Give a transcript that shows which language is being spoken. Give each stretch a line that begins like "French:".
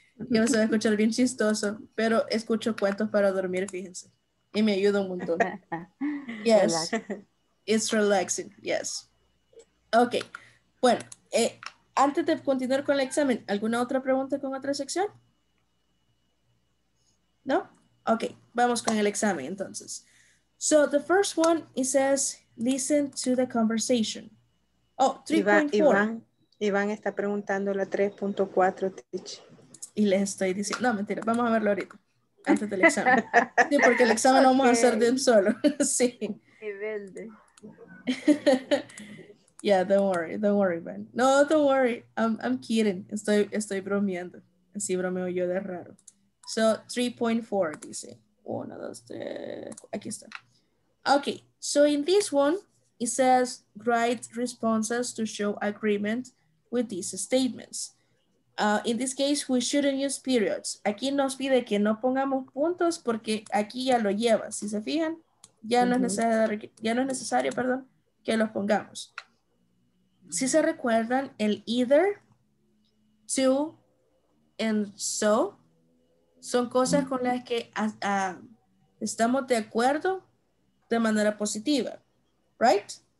Spanish: Yo se va a escuchar bien chistoso, pero escucho cuentos para dormir, fíjense. Y me ayuda un montón.
English: Yes. It's relaxing. Yes. Okay.
Spanish: Bueno, antes de continuar con el examen, ¿alguna otra pregunta con otra sección? ¿No? Okay. Vamos con el examen entonces.
English: So the first one, it says, listen to the conversation. Oh, 3.4.
Spanish: Iván está preguntando la 3.4, teach. Y les estoy diciendo, no, mentira, vamos a verlo ahorita, antes del examen. Sí, porque el examen lo vamos a hacer de un solo. Sí. Qué verde.
English: Yeah, don't worry, Iván. No, don't worry, I'm kidding.
Spanish: Estoy bromeando. Así bromeo yo de raro. So, 3.4, dice.
English: One, two, three.
Spanish: Aquí está.
English: Okay, so in this one, it says write responses to show agreement with these statements. In this case, we shouldn't use periods.
Spanish: Aquí nos pide que no pongamos puntos porque aquí ya lo lleva. Si se fijan, ya no es necesario, perdón, que los pongamos. Si se recuerdan, el either, to, and so, son cosas con las que estamos de acuerdo de manera positiva, right?